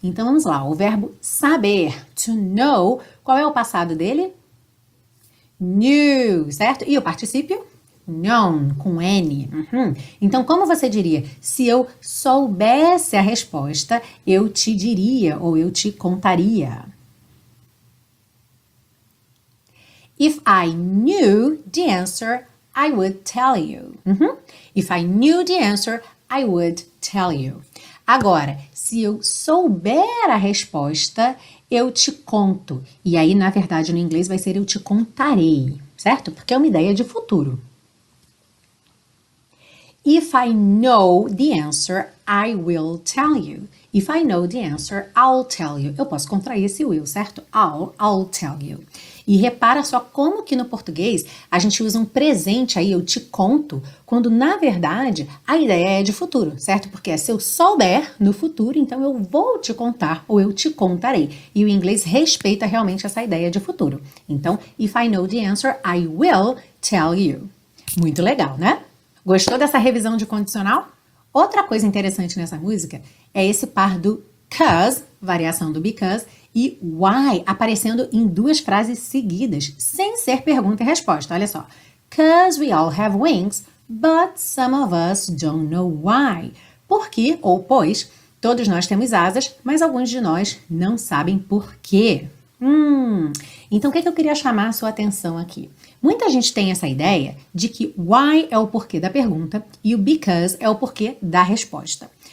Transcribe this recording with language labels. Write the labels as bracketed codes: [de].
[pt] Então vamos lá, o verbo saber, to know, qual é o passado dele? New, certo? E o particípio? Known, com N. Então, como você diria? Se eu soubesse a resposta, eu te diria ou eu te contaria. [en] If I knew the answer, I would tell you. If I knew the answer, I would tell you. [pt] Agora, se eu souber a resposta, eu te conto. E aí, na verdade, no inglês vai ser eu te contarei, certo? Porque é uma ideia de futuro. [en] If I know the answer, I will tell you. If I know the answer, I'll tell you. [pt] Eu posso contrair esse will, certo? [en] I'll tell you. [pt] E repara só como que no português a gente usa um presente aí, eu te conto, quando na verdade a ideia é de futuro, certo? Porque é se eu souber no futuro, então eu vou te contar ou eu te contarei. E o inglês respeita realmente essa ideia de futuro. [en] Então, if I know the answer, I will tell you. [pt] Muito legal, né? Gostou dessa revisão de condicional? Outra coisa interessante nessa música é esse par do 'cause, variação do because, e why aparecendo em duas frases seguidas, sem ser pergunta e resposta. Olha só. [en] 'Cause we all have wings, but some of us don't know why. [pt] Porque, ou pois, todos nós temos asas, mas alguns de nós não sabem por quê. Então, o que é que eu queria chamar a sua atenção aqui? Muita gente tem essa ideia de que why é o porquê da pergunta e o because é o porquê da resposta.